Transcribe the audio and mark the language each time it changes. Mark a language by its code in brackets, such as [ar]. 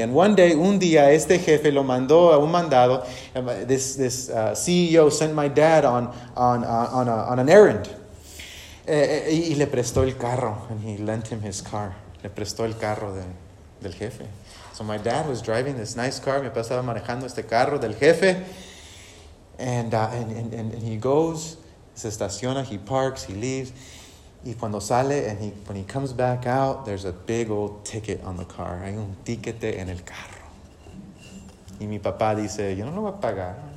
[en] And one day, [es] un día, este jefe lo mandó a un mandado. [en] This CEO sent my dad on an errand. [es] Y le prestó el carro. [en] And he lent him his car. [es] Le prestó el carro del jefe. [en] So my dad was driving this nice car. [es] Mi papá estaba manejando este carro del jefe. [en] And he goes, [es] se estaciona, [en] he parks, he leaves. [es] Y cuando sale, [en] when he comes back out, there's a big old ticket on the car. [es] Hay un tiquete en el carro. Y mi papá dice, yo no lo voy a pagar.